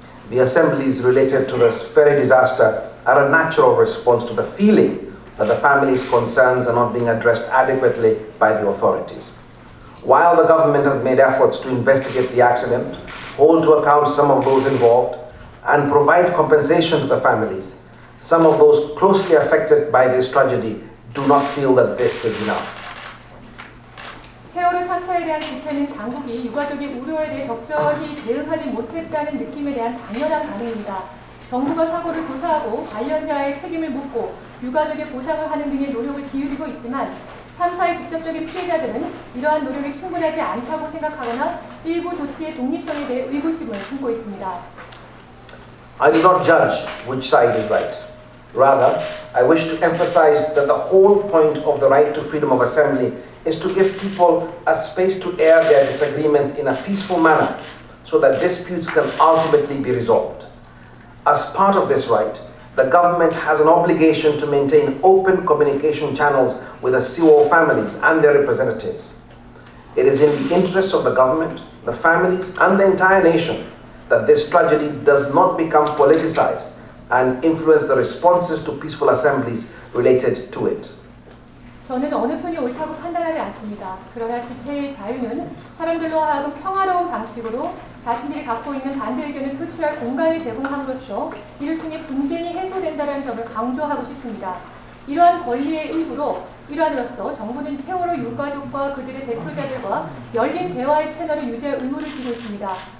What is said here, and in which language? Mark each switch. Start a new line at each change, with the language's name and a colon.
English: The assemblies related to the ferry disaster are a natural response to the feeling that the family's concerns are not being addressed adequately by the authorities. While the government has made efforts to investigate the accident, hold to account some of those involved, and provide compensation to the families, some of those closely affected by this tragedy do not feel that this is enough.
Korean: 세월호 참사에 대한 집회는 당국이 유가족의 우려에 대해 적절히 대응하지 못했다는 느낌에 대한 당연한 반응입니다. 정부가 사고를 조사하고 관련자의 책임을 묻고 유가족의 보상을 하는 등의 노력을 기울이고 있지만 참사의 직접적인 피해자들은 이러한 노력이 충분하지 않다고 생각하거나 일부 조치의 독립성에 대해 의구심을 품고 있습니다.
English: I do not judge which side is right. Rather, I wish to emphasize that the whole point of the right to freedom of assembly is to give people a space to air their disagreements in a peaceful manner so that disputes can ultimately be resolved. As part of this right, the government has an obligation to maintain open communication channels with the Seawall families and their representatives. It is in the interest of the government, the families, and the entire nation that this tragedy does not become politicized and influence the responses to peaceful assemblies related to it.
Korean: 저는 어느 편이 옳다고 판단하지 않습니다. 그러나 집회의 자유는 사람들로 하여금 평화로운 방식으로 자신들이 갖고 있는 반대 의견을 표출할 공간을 제공함으로써 이를 통해 분쟁이 해소된다는 점을 강조하고 싶습니다. 이러한 권리의 일부로 일환으로서 정부는 세월호 유가족과 그들의 대표자들과 열린 대화의 채널을 유지할 의무를 지고 있습니다.